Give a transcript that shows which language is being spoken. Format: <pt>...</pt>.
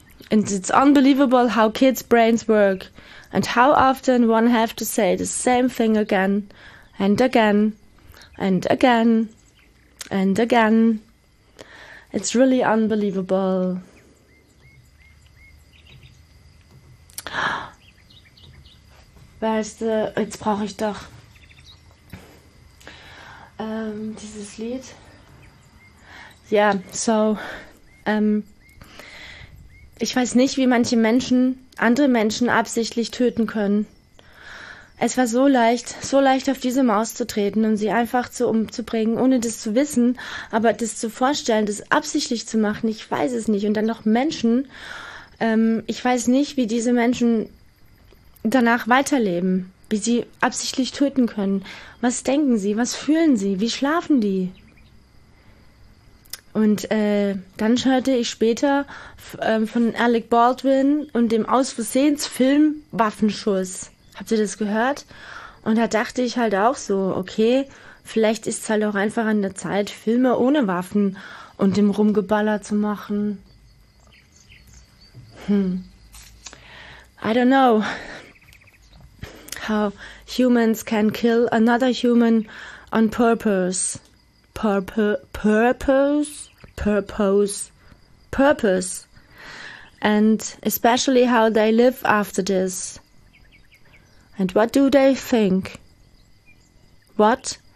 <en>And it's unbelievable how kids' brains work. And how often one have to say the same thing again, and again, and again, and again. It's really unbelievable.</en> <de>Weißt du, jetzt brauche ich doch dieses Lied. Ja, so, ich weiß nicht, wie manche Menschen andere Menschen absichtlich töten können. Es war so leicht auf diese Maus zu treten und sie einfach zu umzubringen, ohne das zu wissen, aber das zu vorstellen, das absichtlich zu machen, ich weiß es nicht. Und dann noch Menschen, ich weiß nicht, wie diese Menschen danach weiterleben, wie sie absichtlich töten können. Was denken sie, was fühlen sie, wie schlafen die? Und dann hörte ich später von Alec Baldwin und dem aus Versehens Film Waffenschuss. Habt ihr das gehört? Und da dachte ich halt auch so, okay, vielleicht ist es halt auch einfach an der Zeit, Filme ohne Waffen und dem Rumgeballer zu machen.</de> <en>I don't know how humans can kill another human on purpose. Purpose. And especially how they live after this. And what do they think? What?</en>